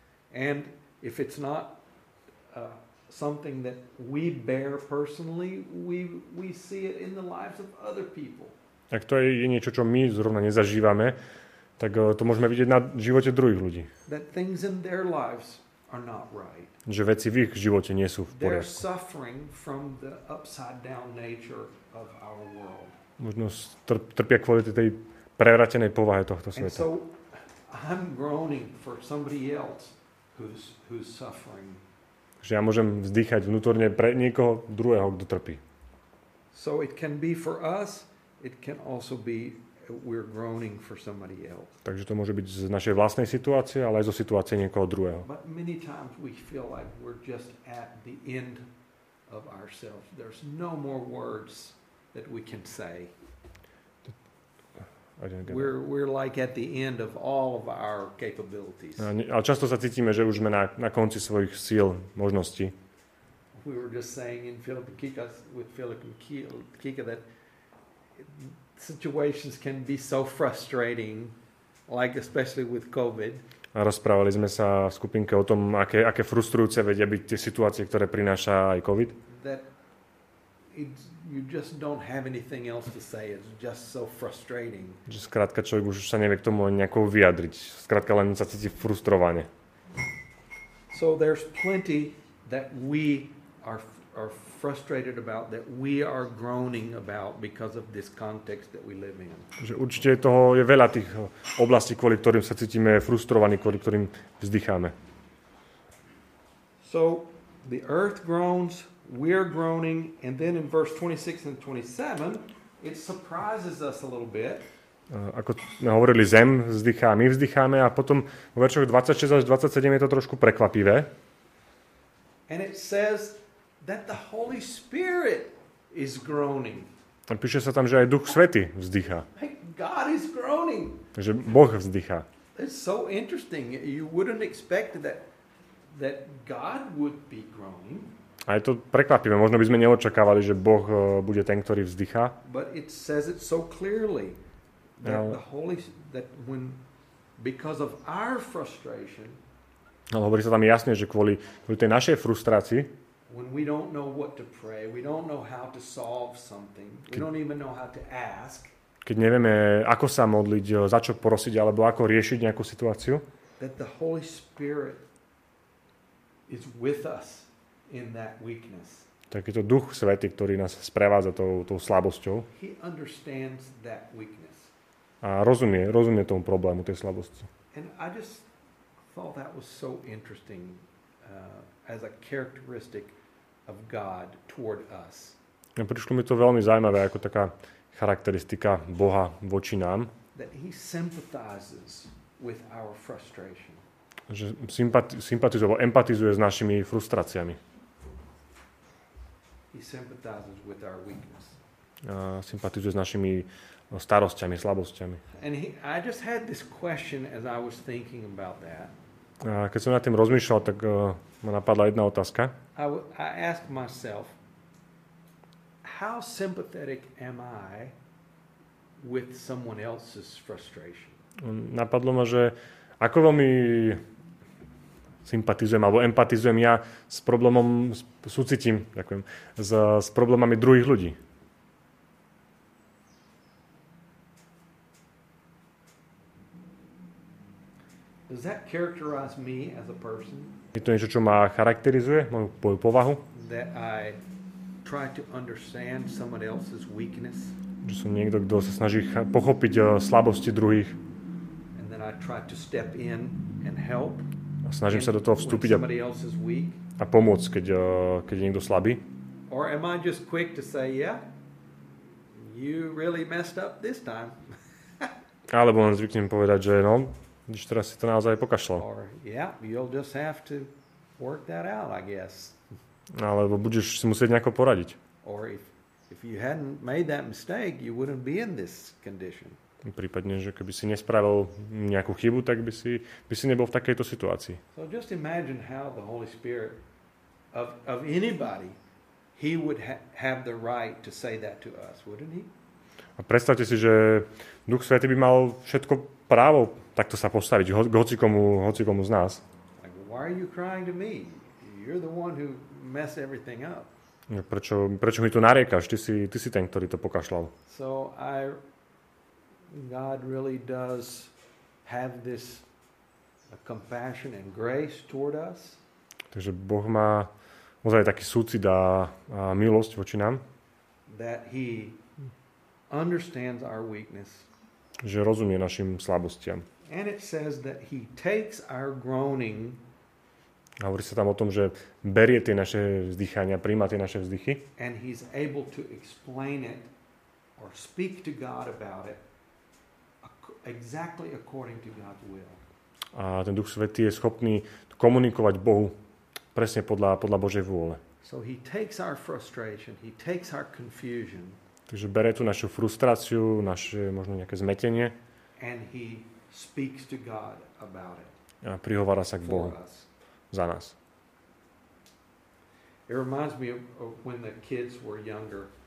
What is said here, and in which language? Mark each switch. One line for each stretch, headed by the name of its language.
English: And if it's not something that we bear personally, we see it in the lives of other people.
Slovak: Tak to je niečo, čo my zrovna nezažívame. Tak to môžeme vidieť na živote druhých ľudí.
English: That things in their lives are not right.
Slovak: Že veci v ich živote nie sú v poriadku.
English: They're suffering from the upside down nature of our world.
Slovak: Možno trpia kvôli tej prevratenej povahe tohto sveta.
English: And so I'm groaning for somebody else who's suffering.
Slovak: Že ja môžem vzdychať vnútorne pre niekoho druhého, kto trpí.
English: So it can be for us, it can also be we're groaning for somebody else.
Slovak: Takže to môže byť z našej vlastnej situácie, ale aj zo situácie niekoho druhého.
English: But many times we feel like we're just at the end of ourselves. There's no more words that we can say. We're like at the end of all of our capabilities.
Slovak: Ale často sa cítime, že už sme na konci svojich síl, možností.
English: We were just saying in Philip and Kika, with Philip and Kika, that situations can be so frustrating, like especially with COVID.
Slovak: A rozprávali sme sa v skupinke o tom, aké frustrujúce vedia byť tie situácie, ktoré prináša aj COVID.
English: That you just don't have anything else to say. It's just so frustrating.
Slovak: Že skrátka človek už sa nevie k tomu nejako vyjadriť. Skrátka len sa cíti frustrovane.
English: So there's plenty that we are frustrated about, that we are groaning about because of this context that we live in.
Slovak: Že určite toho je veľa tých oblastí, kvôli ktorým sa cítime frustrovaní, kvôli ktorým vzdycháme.
English: So the earth groans, we're groaning, and then in verse 26 and 27 it surprises us a little bit.
Slovak: Ako sme hovorili, zem vzdychá, my vzdycháme, a potom v veršoch 26 až 27 je to trošku prekvapivé.
English: And it says that the Holy Spirit is groaning.
Slovak: A píše sa tam, že aj Duch Svätý vzdychá.
English: God is groaning.
Slovak: Že Boh vzdychá.
English: It's so interesting. You wouldn't expect that God would be groaning.
Slovak: A je to prekvapivé. Možno by sme neočakávali, že Boh bude ten, ktorý vzdychá.
English: But it says it so clearly that the Holy that when because of our frustration.
Slovak: Ale hovorí sa tam jasne, že kvôli tej našej frustrácii.
English: When we don't know what to pray, we don't know how to solve something. We don't even know how to ask.
Slovak: Keď nevieme, ako sa modliť, za čo prosiť alebo ako riešiť nejakú situáciu.
English: That the Holy Spirit is with us in that weakness.
Slovak: Tak je to Duch Svätý, ktorý nás sprevádza tou slabosťou.
English: He understands that weakness.
Slovak: A rozumie tomu problému, tej slabosti.
English: And I just thought that was so interesting as a characteristic of God toward us.
Slovak: A prišlo mi to veľmi zaujímavé, ako taká charakteristika Boha voči nám.
English: That he sympathizes with our frustration.
Slovak: Že empatizuje s našimi frustráciami.
English: He sympathizes with our weakness.
Slovak: A sympatizuje s našimi starosťami, slabosťami.
English: And I just had this question as I was thinking about that.
Slovak: A keď som nad tým rozmýšľal, tak ma napadla jedna otázka.
English: I asked myself, how sympathetic am I with someone else's frustration?
Slovak: Napadlo ma, že ako veľmi sympatizujem alebo empatizujem ja s problémom, súcitím, ďakujem, s problémami druhých ľudí.
English: Does that characterize me as a person?
Slovak: Je to niečo, čo ma charakterizuje, moju povahu?
English: That I try to understand someone else's weakness.
Slovak: Že som niekto, kto sa snaží pochopiť slabosti druhých.
English: And then I try to step in and help.
Slovak: A snažím sa do toho vstúpiť a pomôcť, keď je niekto slabý.
English: Or am I just quick to say, yeah, you really messed up this time.
Slovak: Alebo len zvyknem povedať, že no, když teraz si to naozaj pokašľal.
English: Or, yeah, you'll just have to work that out, I guess.
Slovak: Alebo budeš si musieť nejako poradiť.
English: Or if you hadn't made that mistake, you wouldn't be in this condition.
Slovak: Prípadne, že keby si nespravil nejakú chybu, tak by si nebol v takejto situácii.
English: So just imagine how the Holy Spirit of anybody, he would have the right to say that to us, wouldn't he?
Slovak: A predstavte si, že Duch Svätý by mal všetko právo takto sa postaviť hocikomu z nás.
English: Like, why are you crying to me? You're the one who mess everything up.
Slovak: Prečo mi to nariekaš? Ty si ten, ktorý to pokašľal.
English: So God really does have this compassion and grace toward us.
Slovak: Takže Boh má naozaj taký súcit a milosť voči nám.
English: That he understands our weakness.
Slovak: Že rozumie našim slabostiam.
English: And it says that he takes our groaning.
Slovak: A hovorí sa tam o tom, že berie tie naše vzdychania, prijíma tie naše vzdychy.
English: And he's able to explain it or speak to God about it exactly according to God's will.
Slovak: A ten Duch Svätý je schopný komunikovať Bohu presne podľa Božej vôle.
English: So he takes our frustration, he takes our confusion.
Slovak: Takže berie tú našu frustráciu, naše možno nejaké zmetenie.
English: And he speaks to God about it.
Slovak: A prihovára sa k Bohu za nás.
English: It reminds me of when the kids were younger.